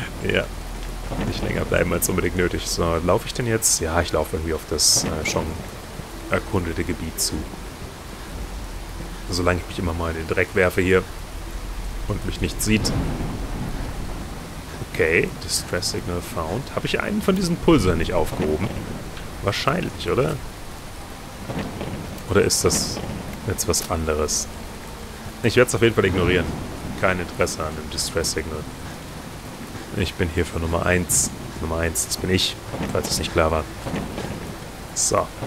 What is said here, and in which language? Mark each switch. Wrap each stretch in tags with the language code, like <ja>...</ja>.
<de>Ja. Nicht länger bleiben als unbedingt nötig. So, laufe ich denn jetzt? Ja, ich laufe irgendwie auf das schon erkundete Gebiet zu. Solange ich mich immer mal in den Dreck werfe hier und mich nicht sieht.</de> <en>Okay, Distress Signal found.</en> <de>Habe ich einen von diesen Pulsern nicht aufgehoben? Wahrscheinlich, oder? Oder ist das jetzt was anderes? Ich werde es auf jeden Fall ignorieren. Kein Interesse an einem Distress-Signal. Ich bin hier für Nummer 1. Nummer 1, das bin ich, falls es nicht klar war. So.</de>